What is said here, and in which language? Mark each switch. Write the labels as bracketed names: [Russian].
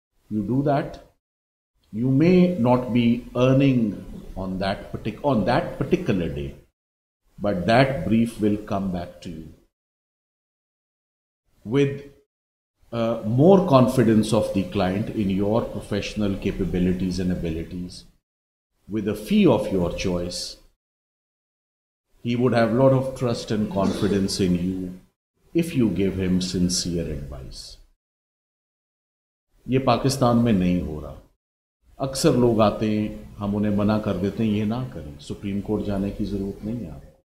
[English] You do that, you may not be earning on that particular day, but that brief will come back to you with more confidence of the client in your professional capabilities and abilities, with a fee of your choice. He would have a lot of trust and confidence in you if you give him sincere advice. [Urdu] یہ پاکستان میں نہیں ہو رہا. اکثر لوگ آتے ہیں, ہم انہیں منع کر دیتے ہیں, یہ نہ کریں, سپریم کورٹ جانے کی ضرورت نہیں ہے.